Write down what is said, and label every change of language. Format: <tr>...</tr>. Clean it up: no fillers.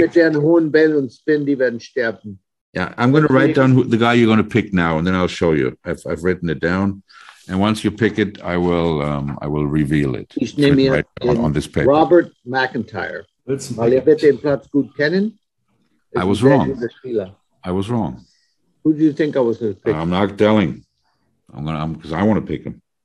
<de>Mit deren hohen Bällen und Spin, die werden sterben.</de> <en>Yeah, I'm going to write down the guy you're going to pick now, and then I'll show you. I've written it down. And once you pick it, I will reveal it.</en> <de>Ich nehme mir</de> <en>on this paper.</en> <de>Robert McIntyre. Weil ihr wird den Platz gut kennen.</de> <en>I was wrong. Who do you think I was going to pick? I'm not telling. Because I want to pick him.</en>